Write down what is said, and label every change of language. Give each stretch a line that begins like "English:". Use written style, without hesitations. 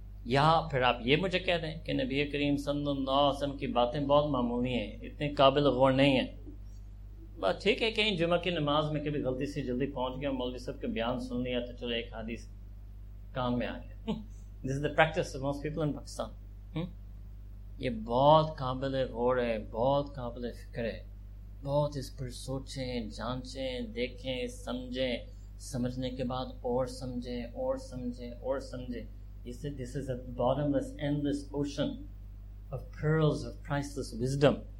Urdu: یا پھر آپ یہ مجھے کہہ دیں کہ نبی کریم صلی اللہ علیہ وسلم کی باتیں بہت معمولی ہیں، اتنے قابل غور نہیں ہیں. بس ٹھیک ہے، کہیں جمعہ کی نماز میں کبھی غلطی سے جلدی پہنچ گیا، مولوی صاحب کے بیان سن لیا تو چلو ایک حدیث کام میں آ گیا.
English: This is the practice of most people in Pakistan.
Urdu: یہ بہت قابل غور ہے، بہت قابل فکر ہے، بہت اس پر سوچیں، جانچیں، دیکھیں، سمجھیں، سمجھنے کے بعد اور سمجھیں، اور سمجھیں، اور سمجھیں.
English: This is a bottomless, endless ocean of pearls of priceless wisdom.